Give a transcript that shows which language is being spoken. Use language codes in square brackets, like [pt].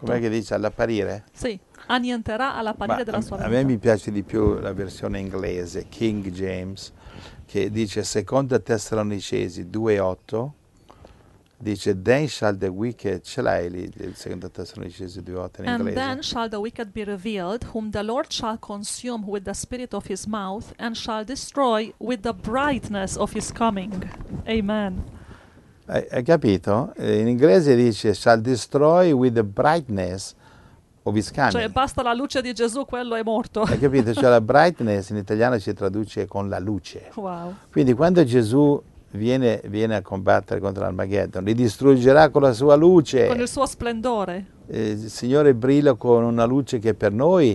[it] Com'è che dice? All'apparire? Sì, annienterà all'apparire della sua venuta. A me mi piace di più la versione inglese, King James, che dice secondo Tessalonicesi 2, 8, dice [en] then shall the wicked, [it] ce l'hai lì, il secondo Tessalonicesi 2:8 in inglese. [en] And then shall the wicked be revealed, whom the Lord shall consume with the spirit of his mouth and shall destroy with the brightness of his coming. Amen. [it] Hai capito? In inglese dice [en] shall destroy with the brightness of his coming. [it] Cioè basta la luce di Gesù, quello è morto. Hai capito? Cioè la brightness in italiano si traduce con la luce. Wow. Quindi quando Gesù viene a combattere contro l'Armageddon, li distruggerà con la sua luce. Con il suo splendore. Il Signore brilla con una luce che per noi